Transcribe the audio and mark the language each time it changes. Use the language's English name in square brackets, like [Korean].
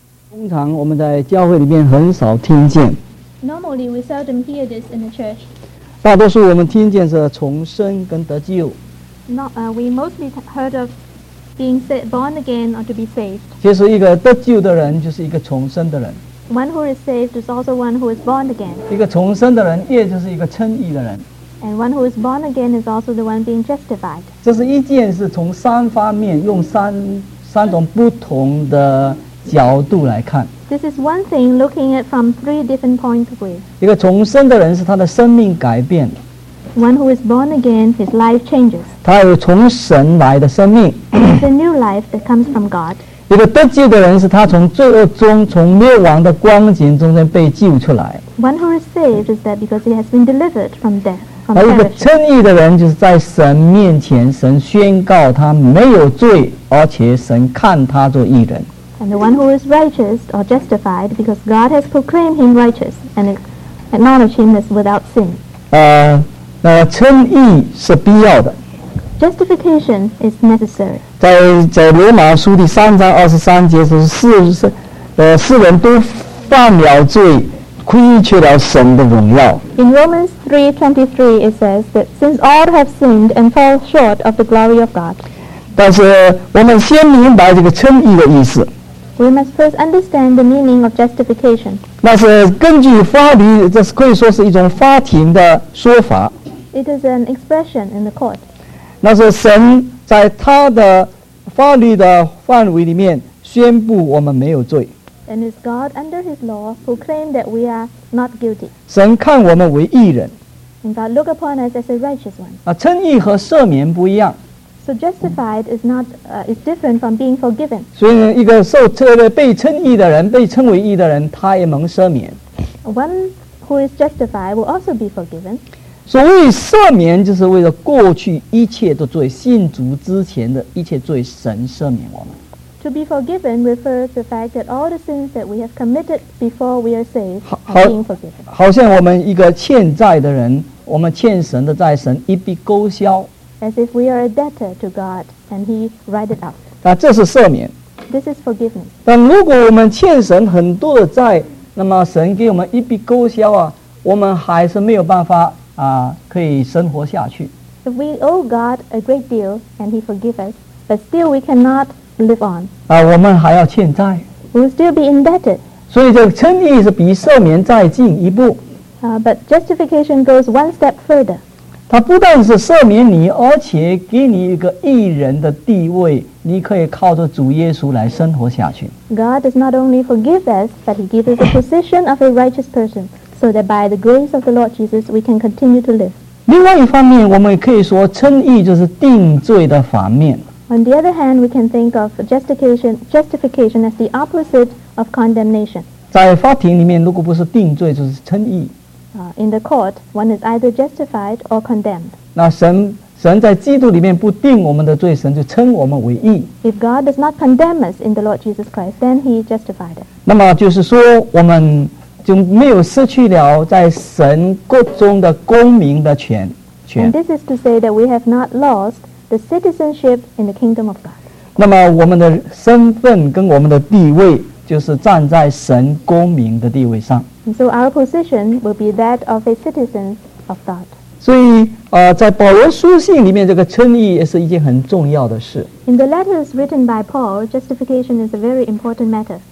[Chinese] 通常我们在教会里面很少听见。 [English] Normally we seldom hear this in the church. [Chinese] 大多数我们听见是重生跟得救。 [English] We mostly heard of being born again or to be saved. [Chinese] 其实一个得救的人就是一个重生的人。 [English] One who is saved is also one who is born again. [Chinese] 一个重生的人也就是一个称义的人。 [English] And one who is born again is also the one being justified. [Chinese] 这是一件是从三方面用三种不同的角度来看。 [English] This is one thing looking at from three different points of view. [Chinese] 一个重生的人是他的生命改变。 [English] One who is born again, his life changes. [Chinese] 他有从神来的生命。 [English] And it's a new life that comes from God. [Chinese] 一个得救的人是他从罪恶中、从灭亡的光景中间被救出来。 [English] One who is saved is that because he has been delivered from death. [Chinese] 而一个称义的人就是在神面前，神宣告他没有罪，而且神看他做义人。 [English] And the one who is righteous or justified because God has proclaimed him righteous and acknowledged him as without sin. [Chinese] 称义是必要的。 [English] Justification is necessary. [Chinese] 在罗马书第三章二十三节是世人都犯了罪，亏缺了神的荣耀。 [English] In Romans 3:23, it says that since all have sinned and fall short of the glory of God. [Chinese] 但是我们先明白这个称义的意思。 [English] We must first understand the meaning of justification. [Chinese] 那是根据法律，这是可以说是一种法庭的说法。 [English] It is an expression in the court. [Chinese] 那是神在他的法律的范围里面宣布我们没有罪。 [English] And it's God under his law who claimed that we are not guilty. [Chinese] 神看我们为义人。 [English] And God look upon us as a righteous one. [Chinese] 称义和赦免不一样。 [English] So justified is not is different from being forgiven. [Chinese] 所以一个受被称义的人，被称为义的人，他也蒙赦免。 [English] One who is justified will also be forgiven. [Chinese] 所谓赦免，就是为了过去一切的罪，信主之前的一切罪，神赦免我们。 [English] To be forgiven refers to the fact that all the sins that we have committed before we are saved are being forgiven. [Chinese] 好像我们一个欠债的人，我们欠神的债，神一笔勾销。 [English] As if we are a debtor to God, and He write it up. [Chinese] 那这是赦免。 [English] This is forgiveness. [Chinese] 但如果我们欠神很多的债，那么神给我们一笔勾销啊，我们还是没有办法啊，可以生活下去。 [English] If we owe God a great deal, and He forgive us, but still we cannot live on. [Chinese] 我们还要欠债。 [English] We will still be indebted. [Chinese] 所以这个称义是比赦免再进一步。 [English] But justification goes one step further. [Chinese] 他不但是赦免你，而且给你一个义人的地位，你可以靠着主耶稣来生活下去。 [English] God does not only forgive us, but He gives us the position of a righteous person, so that by the grace of the Lord Jesus, we can continue to live. [Chinese] 另外一方面，我们也可以说称义就是定罪的反面。 [English] On the other hand, we can think of justification as the opposite of condemnation. [Chinese] 在法庭里面，如果不是定罪，就是称义。 [English] In the court, one is either justified or condemned. [Chinese] 那神在基督里面不定我们的罪，神就称我们为义。 [English] If God does not condemn us in the Lord Jesus Christ, then He justified us. [Chinese] 那么就是说，我们就没有失去了在神国中的公民的权。 [English] And this is to say that we have not lost the citizenship in the kingdom of God. [Chinese] 那么我们的身份跟我们的地位就是站在神公民的地位上。 [English] And so our position will be that of a citizen of God. [Chinese] 所以在保罗书信里面，这个称义也是一件很重要的事。 [English] In the letters written by Paul, justification is a very important matter.